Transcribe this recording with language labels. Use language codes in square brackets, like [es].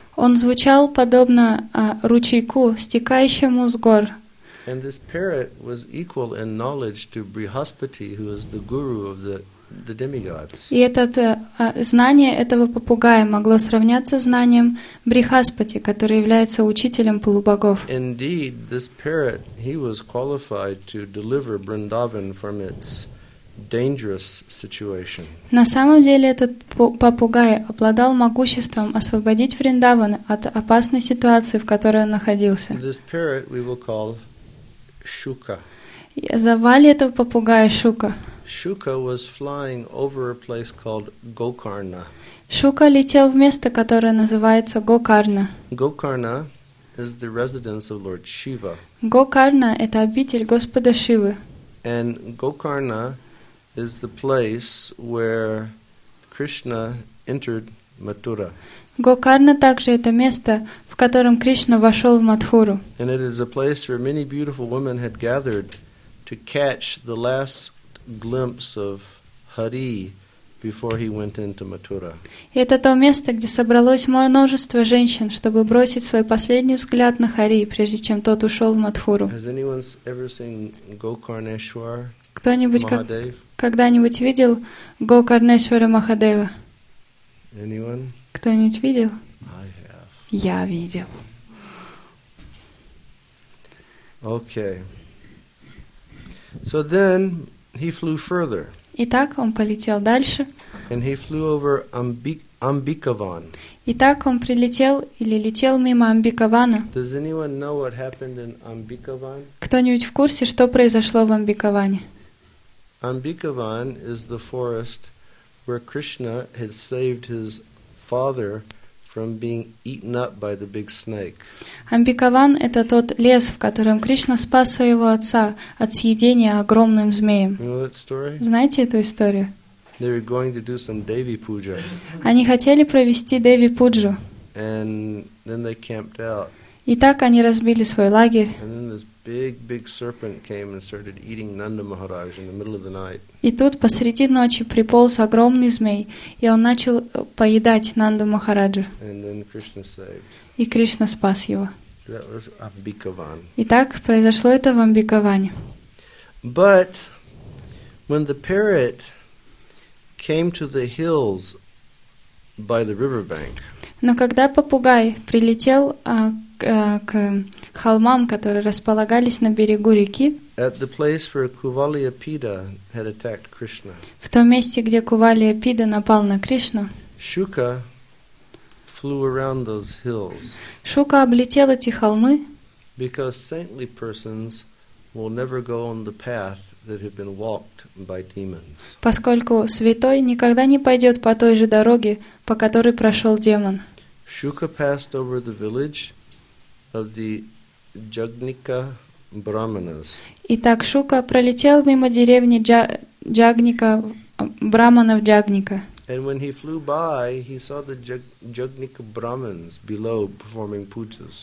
[ru] Он звучал подобно ручейку, стекающему с гор. [en] And this parrot was equal in knowledge to Brihaspati, who is the guru of the demigods. [ru] И этот знание этого попугая могло сравняться с знанием Брихаспати, который является учителем полубогов. [en] Indeed, this parrot, he was qualified to deliver Vrindavan from its dangerous situation. [ru] На самом деле этот попугай обладал могуществом освободить Вриндаван от опасной ситуации, в которой он находился. [en] This parrot we will call Shuka. [ru] Звали этого попугая Шука. [en] Shuka was flying over a place called Gokarna. [ru] Шука летел в место, которое называется Гокарна. [en] Gokarna is the residence of Lord Shiva. [ru] Гокарна — это обитель Господа Шивы. [en] And Gokarna is the place where Krishna entered Mathura. [ru] Gokarna также это место, в котором Кришна вошел в Матхуру. [en] And it is a place where many beautiful women had gathered to catch the last glimpse of Hari before he went into Mathura. [ru] Это то место, где собралось множество женщин, чтобы бросить свой последний взгляд на Хари, прежде чем тот ушел в Матхуру. [en] Has anyone ever seen Gokarneshwar? [ru] Кто-нибудь когда-нибудь видел Гокарнешвара Махадева? [en] Anyone? [ru] Кто-нибудь видел? [en] I have. [ru] Я видел. [en] Okay. So then he flew further. [ru] Итак, он полетел дальше. [en] And he flew over Ambikavan. [ru] Итак, он прилетел или летел мимо Амбикавана. [en] Does anyone know what happened in Ambikavan? [ru] Кто-нибудь в курсе, что произошло в Амбикаване? [en] Ambikavan is the forest where Krishna had saved his father from being eaten up by the big snake. [ru] Амбикаван — это тот лес, в котором Кришна спас своего отца от съедения огромным змеем. [en] You know that story? [ru] Знаете эту историю? [en] They were going to do some Devi Puja. [ru] Они хотели провести Деви Пуджу. [en] And then they camped out. [ru] И так они разбили свой лагерь. [en] And then this big serpent came and started eating Nanda Maharaj in the middle of the night. [ru] И тут посреди ночи приполз огромный змей, и он начал поедать Нанду Махараджу. [en] And then Krishna saved. [ru] И Кришна спас его. [en] That was Ambikavan. [ru] И так произошло это в Амбикаване. [en] But when the parrot came to the hills by the riverbank. [ru] Но когда попугай прилетел к холмам, которые располагались на берегу реки, [en] at the place where Kuvalyapida had attacked Krishna, [ru] в том месте, где Кувалиапида напал на Кришну, [en] Shuka flew around those hills. [ru] Шука облетел эти холмы, [en] because saintly persons will never go on the path that have been walked by demons. [ru] Поскольку святой никогда не пойдет по той же дороге, по которой прошел демон. [en] Shuka passed over the village of the Jagnika Brahmanas. [ru] Итак, Шука пролетел мимо деревни Джагника Брахманов Джагника. [en] And when he flew by, he saw the Jagnika Brahmins below performing pujas.